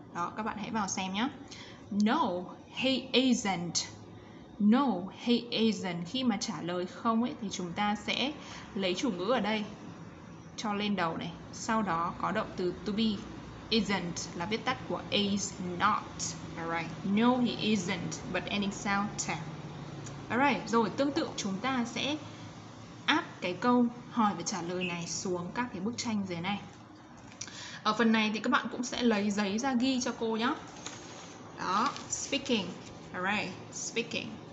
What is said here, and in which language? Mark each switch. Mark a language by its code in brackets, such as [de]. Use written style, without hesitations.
[vi] Đó, các bạn hãy vào xem nhé. [en] No, he isn't. No, he isn't. [vi] Khi mà trả lời không ấy thì chúng ta sẽ lấy chủ ngữ ở đây cho lên đầu này, sau đó có động từ to be. Isn't là viết tắt của is not. [en] Alright, no he isn't, but ending sound t. [vi] Alright, rồi tương tự chúng ta sẽ áp cái câu hỏi và trả lời này xuống các cái bức tranh dưới này. Ở phần này thì các bạn cũng sẽ lấy giấy ra ghi cho cô nhé. Đó, speaking. [en] Alright, speaking.